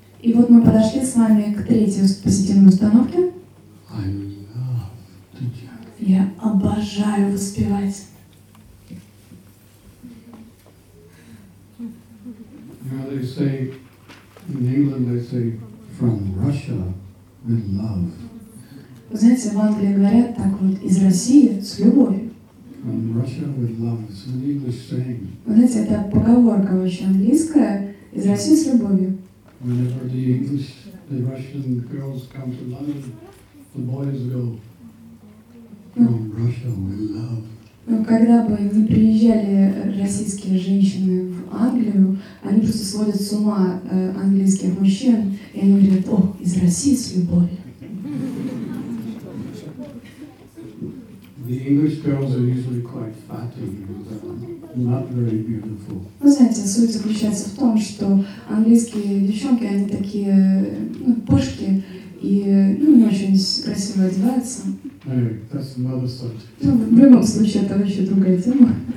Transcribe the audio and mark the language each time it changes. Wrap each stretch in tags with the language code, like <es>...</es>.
<ru>И вот мы подошли с вами к третьей позитивной установке.</ru> <en>I love to chant.</en> <ru>Я обожаю воспевать.</ru> <en>You know, they say in England, they say from Russia with love.</en> <ru>Вы знаете, в Англии говорят так вот: из России с любовью.</ru> <en>From Russia with love. It's an English saying.</en> <ru>Вы знаете, это поговорка очень английская, из России с любовью.</ru> <en>Whenever the English, the Russian girls come to London, the boys go from Russia with love.</en> <ru>Но когда бы не приезжали российские женщины в Англию, они просто сводят с ума английских мужчин, и они говорят: "О, из России с любовью."</ru> <en>The English girls are usually quite fatty, not very beautiful.</en> <ru>Ну, знаете, суть заключается в том, что английские девчонки, они такие, ну, пышки, и, ну, не очень красиво одеваются.</ru> <en>Anyway, that's another subject.</en> <ru>Ну, в любом случае, это вообще другая тема.</ru>